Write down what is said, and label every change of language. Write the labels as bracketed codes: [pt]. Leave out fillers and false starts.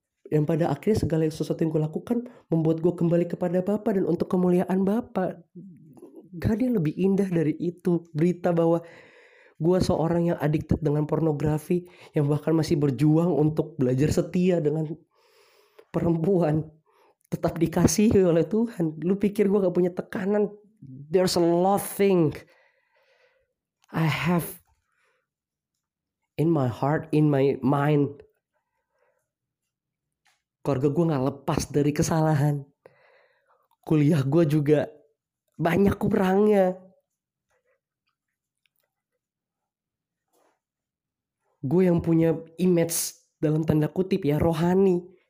[id] Yang pada akhirnya segala sesuatu yang gue lakukan membuat gue kembali kepada Bapa dan untuk kemuliaan Bapa. Gak ada yang lebih indah dari itu. Berita bahwa gue seorang yang addicted dengan pornografi, yang bahkan masih berjuang untuk belajar setia dengan perempuan, tetap dikasihi oleh Tuhan. Lu pikir gue gak punya tekanan? [en] There's a lot thing I have in my heart, in my mind. [id] Keluarga gue gak lepas dari kesalahan. Kuliah gue juga banyak kurangnya. Gue yang punya image dalam tanda kutip ya, rohani.